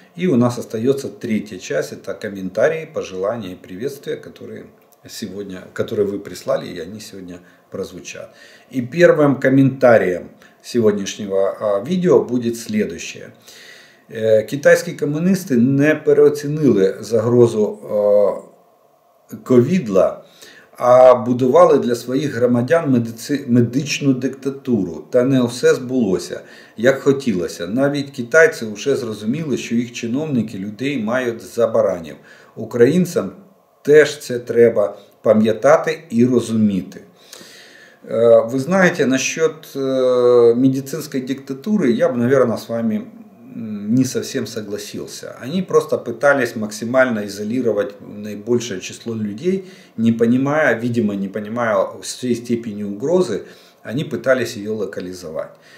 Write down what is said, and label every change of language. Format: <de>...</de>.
<ru>И у нас остается третья часть, это комментарии, пожелания и приветствия, которые вы прислали, и они сегодня прозвучат. И первым комментарием сегодняшнего видео будет следующее. Китайские коммунисты не переоценили загрозу ковидла,</ru> <uk>а будували для своїх громадян медичну диктатуру. Та не все збулося, як хотілося. Навіть китайці вже зрозуміли, що їх чиновники людей мають за баранів. Українцям теж це треба пам'ятати і розуміти. Ви знаєте, насчет медицинської диктатури я б, мабуть, з вами</uk> <ru>не совсем согласился. Они просто пытались максимально изолировать наибольшее число людей, не понимая, видимо, не понимая всей степени угрозы, они пытались ее локализовать.</ru>